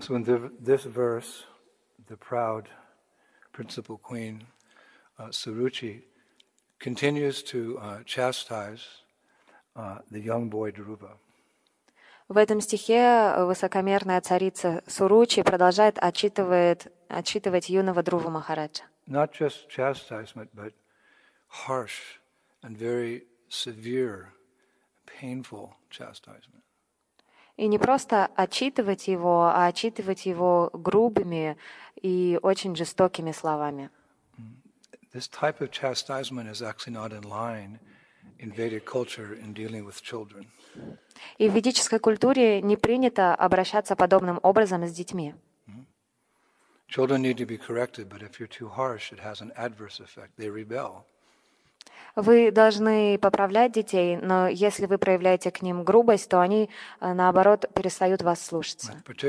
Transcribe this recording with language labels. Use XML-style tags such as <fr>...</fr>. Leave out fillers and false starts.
<en>So in this verse, the proud principal queen, Suruchi, continues to chastise the young boy Dhruva.</en> <ru>В этом стихе высокомерная царица Суручи продолжает отчитывать юного Друву Махараджа.</ru> <en>Not just chastisement, but harsh and very severe, painful chastisement.</en> <ru>И не просто отчитывать его, а отчитывать его грубыми и очень жестокими словами.</ru> <en>This type of chastisement is actually not in line in Vedic culture in dealing with children.</en> <ru>И в ведической культуре не принято обращаться подобным образом с детьми.</ru> <en>Children need to be corrected, but if you're too harsh, it has an adverse effect. They rebel.</en> <ru>Вы должны поправлять детей, но если вы проявляете к ним грубость, то они, наоборот, перестают вас слушаться.</ru>